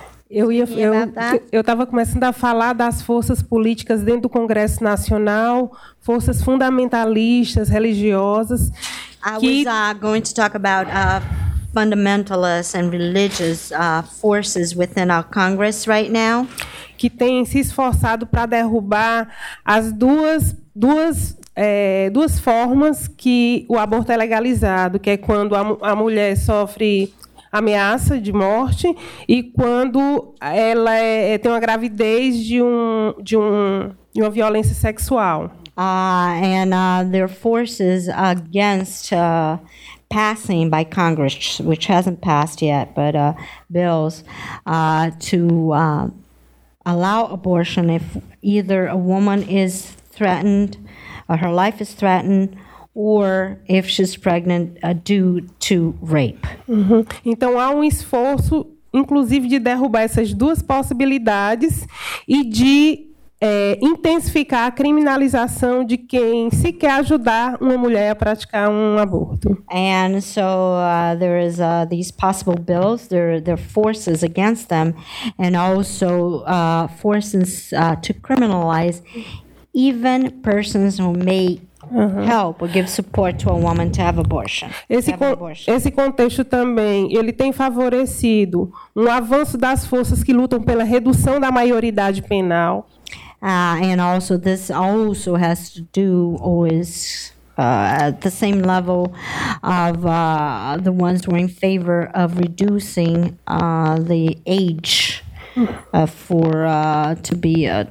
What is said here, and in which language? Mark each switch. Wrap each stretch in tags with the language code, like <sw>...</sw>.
<pt>Eu estava começando a falar das forças políticas dentro do Congresso Nacional, forças fundamentalistas, religiosas.</pt> <en>Going to talk about fundamentalists and religious forces within our Congress right now.</en> <pt>Que têm se esforçado para derrubar as duas formas que o aborto é legalizado, que é quando a mulher sofre ameaça de morte e quando ela tem uma gravidez de uma violência sexual.</pt> <en>There are forces against passing by Congress, which hasn't passed yet, but bills to allow abortion if either a woman is threatened, or her life is threatened, or if she's pregnant due to rape. Uhum.</en> <pt>Então há um esforço, inclusive, de derrubar essas duas possibilidades e de intensificar a criminalização de quem se quer ajudar uma mulher a praticar um aborto.</pt> <en>And so there is these possible bills, there are forces against them, and also forces to criminalize even persons who may help or give support to a woman to have abortion.</en> <pt>Esse contexto também, ele tem favorecido um avanço das forças que lutam pela redução da maioridade penal.</pt> <en>And also, this also has to do, or is at the same level of the ones who are in favor of reducing the age for to be</en>